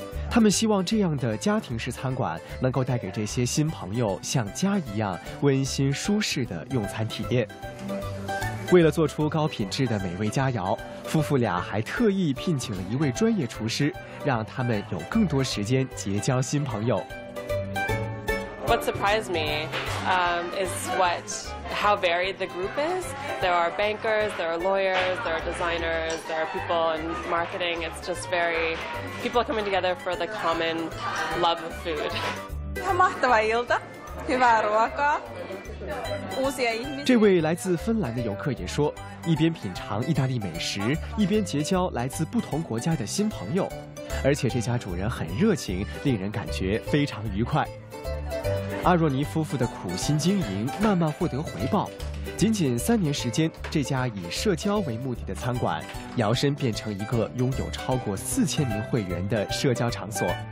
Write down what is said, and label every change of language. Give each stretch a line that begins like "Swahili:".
Chinese: 他们希望这样的家庭式餐馆能够带给这些新朋友像家一样温馨舒适的用餐体验。为了做出高品质的美味佳肴，夫妇俩还特意聘请了一位专业厨师，让他们有更多时间结交新朋友。
English: What surprised me, is how varied the group is. There are bankers, there are lawyers, there are designers, there are people in marketing. It's just very people coming together for the common love of food.
Chinese: 这位来自芬兰的游客也说，一边品尝意大利美食，一边结交来自不同国家的新朋友，而且这家主人很热情，令人感觉非常愉快。阿若尼夫妇的苦心经营慢慢获得回报，仅仅三年时间，这家以社交为目的的餐馆摇身变成一个拥有超过4000名会员的社交场所。